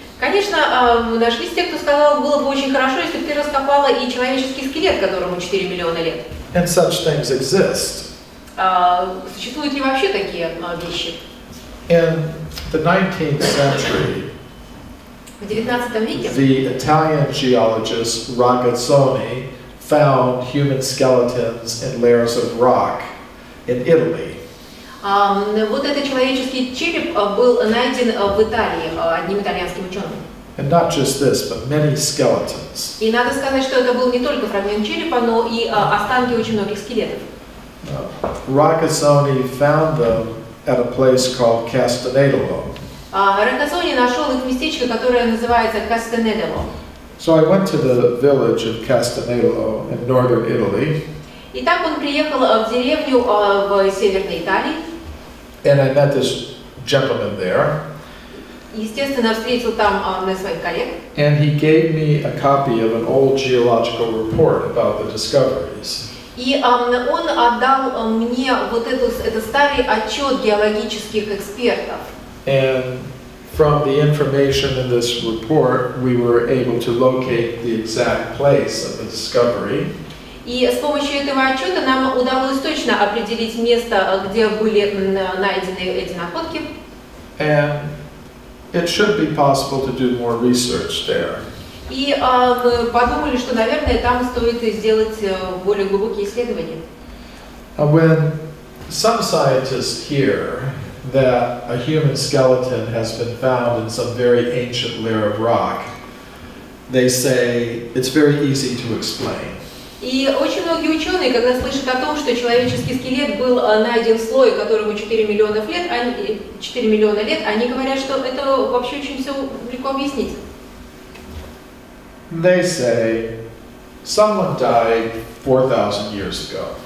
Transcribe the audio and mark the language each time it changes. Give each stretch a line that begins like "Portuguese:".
Russian: Конечно, нашлись те, кто сказал, было бы очень хорошо, если бы ты раскопала и человеческий скелет, которому 4 миллиона лет.
English: And such things exist.
Russian: Существуют ли вообще такие вещи?
English: In the 19th century, the Italian geologist Ragazzoni found human skeletons in layers of rock in Italy.
Russian: Вот этот человеческий череп был найден в Италии одним итальянским ученым.
English: And not just this, but many skeletons.
Russian: И надо сказать, что это был не только фрагмент черепа, но и останки очень многих скелетов.
English: Ragazzoni found them at a place called Castanedolo.
Russian: Ragazzoni нашел их в местечке, которое называется Castanedolo.
English: So I went to the village of Castanedolo in northern Italy.
Russian: И так он приехал в деревню в северной Италии.
English: And I met this gentleman there.
Russian: Естественно, встретил там своих коллег.
English: And he gave me a copy of an old geological report about the discoveries.
Russian: И он отдал мне вот этот старый отчет геологических экспертов.
English: And from the information in this report, we were able to locate the exact place of the discovery.
Russian: И с помощью этого отчета нам удалось точно определить место, где были найдены эти находки.
English: And it should be possible to do more research there.
Russian: И мы подумали, что, наверное, там стоит сделать более глубокие исследования.
English: When some scientists hear that a human skeleton has been found in some very ancient layer of rock, they say it's very easy to explain.
Russian: И очень многие ученые, когда слышат о том, что человеческий скелет был найден в слое, которому 4 миллиона лет, они говорят, что это вообще очень все легко объяснить.
English: They say someone died 4,000 years ago.